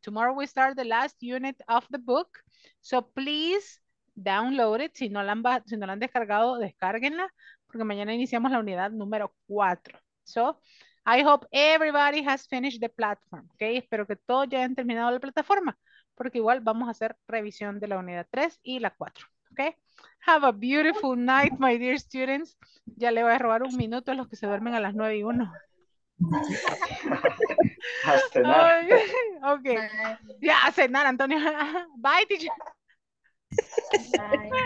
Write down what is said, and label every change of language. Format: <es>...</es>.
<en>Tomorrow we start the last unit of the book. So please, download it.</en> <es>Si no la han descargado, descárguenla, porque mañana iniciamos la unidad número 4.</es> <en>So, I hope everybody has finished the platform, okay?</en> <es>Espero que todos ya hayan terminado la plataforma, porque igual vamos a hacer revisión de la unidad 3 y la 4, okay?</es> <en>Have a beautiful night, my dear students.</en> <es>Ya le voy a robar un minuto a los que se duermen a las 9:01. Okay. Ya, a cenar, Antonio. Bye, teacher. Bye.</es>